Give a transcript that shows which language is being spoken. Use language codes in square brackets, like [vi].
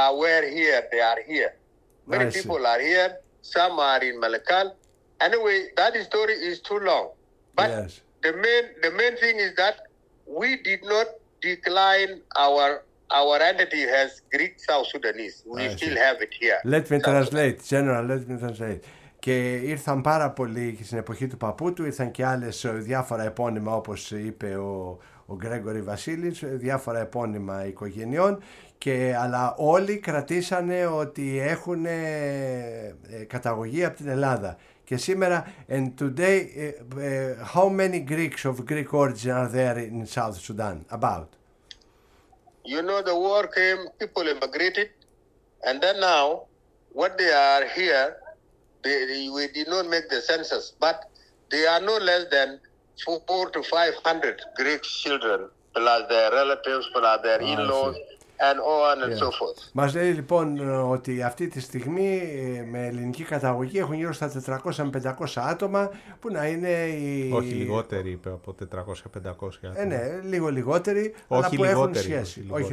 [en] Were here, they are here. Many people are here, some are in Malakal. Anyway, that story is too long. But the main thing is that we did not decline our entity as Greek South Sudanese. We still have it here. Let me translate, General. [el] Και ήρθαν πάρα πολλοί στην εποχή του παππού του, ήρθαν και άλλες διάφορα επώνυμα, όπως είπε ο Γκρέγκορη Βασίλης, διάφορα επώνυμα οικογενειών, αλλά όλοι κρατήσανε ότι έχουν καταγωγή από την Ελλάδα. Και σήμερα, [en] and today, how many Greeks of Greek origin are there in South Sudan, about? You know, the war came, people immigrated, and then now, what they are here, we did not make the census, but they are no less than 400 to 500 Greek children, plus their relatives, plus their in-laws, and on and so forth. [el] Μας λέει λοιπόν ότι αυτή τη στιγμή με ελληνική καταγωγή έχουν γύρω στα 400-500 άτομα, που να είναι όχι λιγότεροι, είπε, από 400-500 άτομα. Ναι, λίγο λιγότεροι, όχι, αλλά λιγότεροι, που έχουν σχέση.